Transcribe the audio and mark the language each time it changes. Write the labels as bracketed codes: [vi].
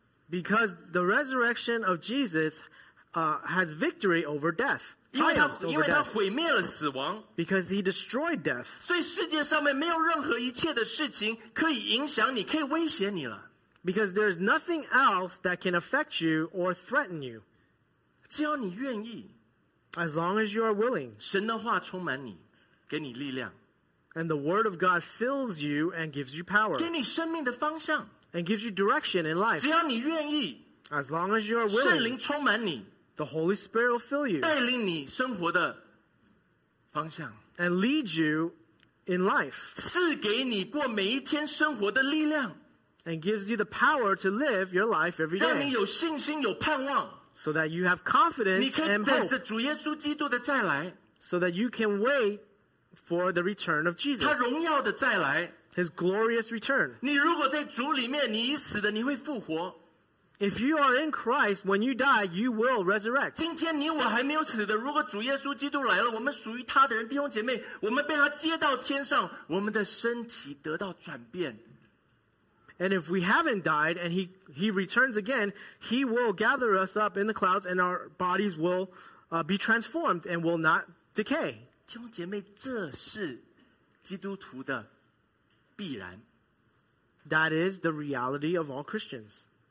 [en] because the resurrection of Jesus has victory over death. [zh] 因为他毁灭了死亡, [en] because he destroyed death. [zh] 所以世界上面没有任何一切的事情可以影响你,可以威胁你了。 [en] Because there is nothing else that can affect you or threaten you. [zh] 只要你愿意, [en] as long as you are willing, [zh] 神的话充满你, 给你力量, [en] and the word of God fills you and gives you power, [zh] 给你生命的方向, [en] and gives you direction in life. [zh] 只要你愿意, [en] as long as you are willing, [zh] 圣灵充满你, [en] the Holy Spirit will fill you, [zh] 带领你生活的方向, [en] and lead you in life, [zh] 赐给你过每一天生活的力量, [en] and gives you the power to live your life every day, [zh] 让你有信心, 有盼望, [en] so that you have confidence and hope, so that you can wait for the return of Jesus, [zh] 祂荣耀的再来, [en] His glorious return. [zh] 你如果在主里面, 你已死的, 你会复活, [en] If you are in Christ, when you die, you will resurrect. [zh] 今天你我还没有死的，如果主耶稣基督来了，我们属于他的人，弟兄姐妹，我们被他接到天上，我们的身体得到转变。 [en] And if we haven't died, and he returns again, he will gather us up in the clouds, and our bodies will be transformed and will not decay. [zh] 弟兄姐妹，这是基督徒的必然。 [en] That is the reality of all Christians.